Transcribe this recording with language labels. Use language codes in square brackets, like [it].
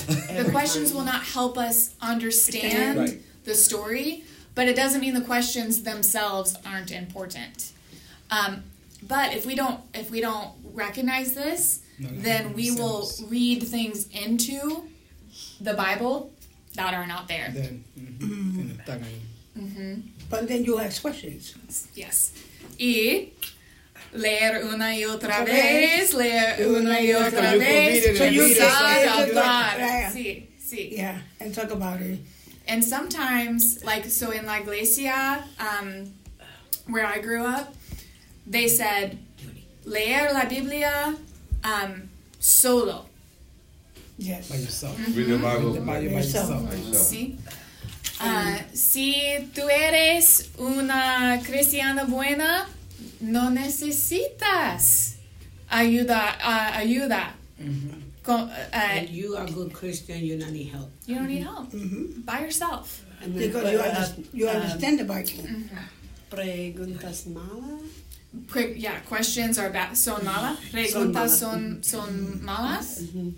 [en] The questions will not help us understand the story, but it doesn't mean the questions themselves aren't important. But if we don't recognize this, then we will read things into the Bible that are not there. Then. Mm-hmm. Mm-hmm. But then you ask questions. Yes. [es] Y leer una y otra vez, leer una y otra vez. [en] So you say about [es] it. Sí, sí. [en] Yeah, and talk about it. And sometimes, in La Iglesia, where I grew up, they said, [es] leer la Biblia solo. [en] Yes. By yourself. Mm-hmm. Read the Bible by yourself. [es] Sí. Si tú eres una cristiana buena, no necesitas ayuda. Mm-hmm. [en] And you are a good Christian, you don't need help. You don't need help. Mm-hmm. By yourself. Because you understand the Bible. Mm-hmm. [es] Preguntas malas? [en] Questions are bad. [es] Son malas? Preguntas son malas?